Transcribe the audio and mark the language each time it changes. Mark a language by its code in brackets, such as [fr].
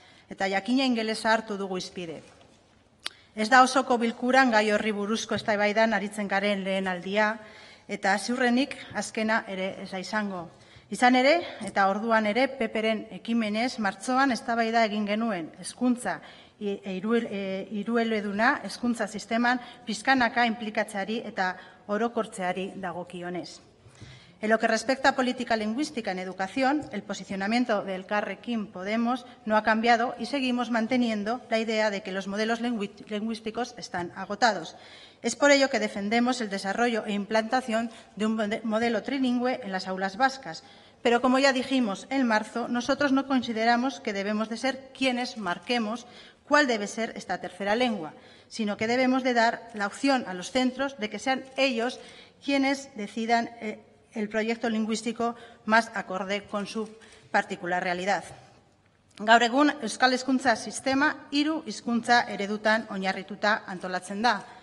[eu] Eta jakina ingelesa hartu dugu izpide. Ez da osoko bilkuran gai horri buruzko eztabaidan aritzen garen lehen aldia, eta ziurrenik azkena ere ez da izango. Izan ere, eta orduan ere, PP-ren ekimenez, martzoan eztabaida egin genuen hezkuntza hirueleduna hezkuntza sisteman pizkanaka inplikatzeari eta orokortzeari dagokionez. [es] En lo que respecta a política lingüística en educación, el posicionamiento de Elkarrekin Podemos no ha cambiado y seguimos manteniendo la idea de que los modelos lingüísticos están agotados. Es por ello que defendemos el desarrollo e implantación de un modelo trilingüe en las aulas vascas. Pero como ya dijimos en marzo, nosotros no consideramos que debemos de ser quienes marquemos cuál debe ser esta tercera lengua, sino que debemos de dar la opción a los centros de que sean ellos quienes decidan el proyecto lingüístico más acorde con su particular realidad. [eu] Gaur egun, Euskal Hezkuntza Sistema hiru hizkuntza eredutan oinarrituta antolatzen da.